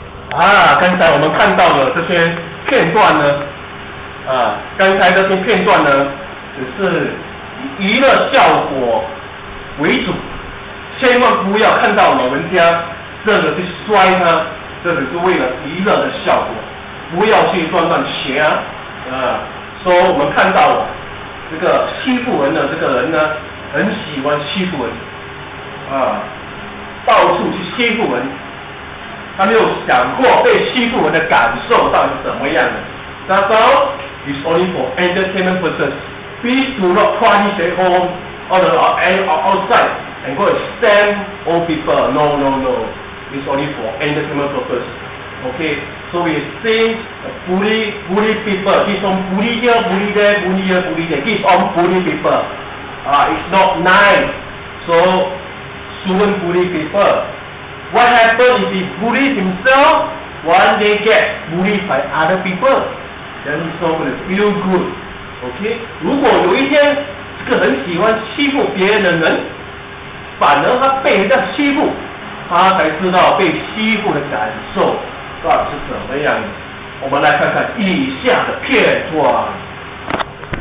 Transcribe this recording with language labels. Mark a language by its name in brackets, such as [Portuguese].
[Chinese] 啊，刚才我们看到了这些片段呢，啊，刚才这些片段呢，只是娱乐效果为主，千万不要看到老人家这个去摔呢，这只是为了娱乐的效果，不要去断断鞋啊，啊，说我们看到了这个欺负人的这个人呢，很喜欢欺负人，啊，到处去欺负人。他没有想过被欺负人的感受到底是怎么样的。 [English] That's all is only for entertainment purposes. Please do not punish at home or outside and go and stand old people. No, no, no. It's only for entertainment purposes. Okay, so we see bully people. Keep on bully here, bully there, bully here, bully there. Keep on bully people. It's not nice. So, shouldn't bully people. What happens if he bullies himself, one day get bullied by other people, then he's not going to feel good, okay? [Chinese] 如果有一天这个很喜欢欺负别人的人，反而他被人家欺负，他才知道被欺负的感受到底是怎么样的。我们来看看以下的片段。